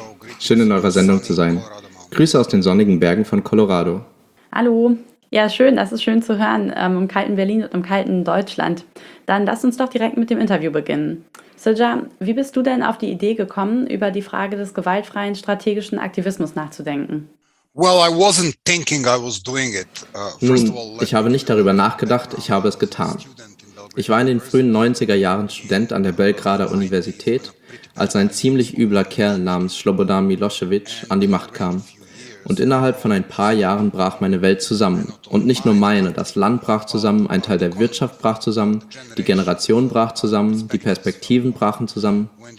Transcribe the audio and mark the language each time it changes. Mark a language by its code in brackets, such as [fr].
[de] Hallo, schön in eurer Sendung zu sein. Grüße aus den sonnigen Bergen von Colorado. Hallo, ja schön, das ist schön zu hören, im kalten Berlin und im kalten Deutschland. Dann lass uns doch direkt mit dem Interview beginnen. Srđan, wie bist du denn auf die Idee gekommen, über die Frage des gewaltfreien strategischen Aktivismus nachzudenken? [en] Well, I wasn't thinking I was doing it. [de] Nun, ich habe nicht darüber nachgedacht, ich habe es getan. Ich war in den frühen 90er Jahren Student an der Belgrader Universität, als ein ziemlich übler Kerl namens Slobodan Milosevic an die Macht kam. Und innerhalb von ein paar Jahren brach meine Welt zusammen. Und nicht nur meine, das Land brach zusammen, ein Teil der Wirtschaft brach zusammen, die Generation brach zusammen, die Perspektiven brachen zusammen.